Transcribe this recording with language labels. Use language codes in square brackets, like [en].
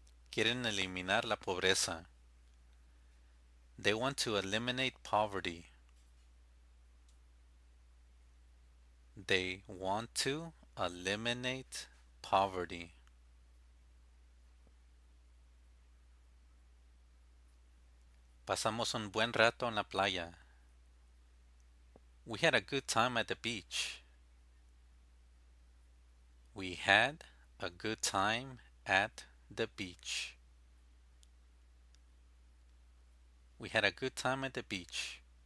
[es] Quieren eliminar la pobreza. [en] They want to eliminate poverty. They want to eliminate poverty. [es] Pasamos un buen rato en la playa. [en] We had a good time at the beach. We had a good time at the beach. We had a good time at the beach.